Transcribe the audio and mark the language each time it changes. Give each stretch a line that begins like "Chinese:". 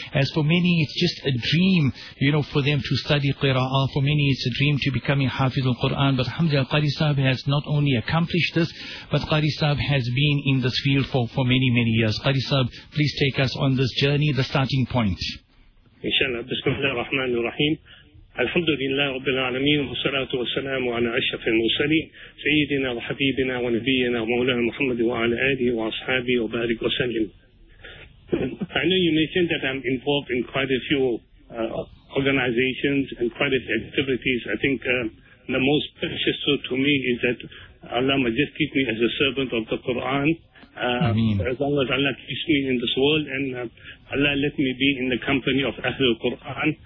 English: As for many, it's just a dream, you know, for them to study Qira'ah. For many, it's a dream to becoming Hafiz al-Quran. But alhamdulillah, Qari Sahib has not only accomplished this, but Qari Sahib has been in this field for many, many years. Qari Sahib, please take us on this journey, the starting point.
Arabic: Inshallah, Bismillah ar-Rahman ar-Rahim. الحمد لله رب العالمين والصلاة والسلام على أشرف المرسلين سيدنا وحبيبنا ونبينا ومولانا محمد وعلى آله وأصحابه وبارك وسلم.
English: I know you mentioned that I'm involved in quite a few organizations and quite a few activities. I think the most precious to me is that Allah may just keep me as a servant of the Quran. As long as Allah keeps me in this world and Allah let me be in the company of Ahlul Quran.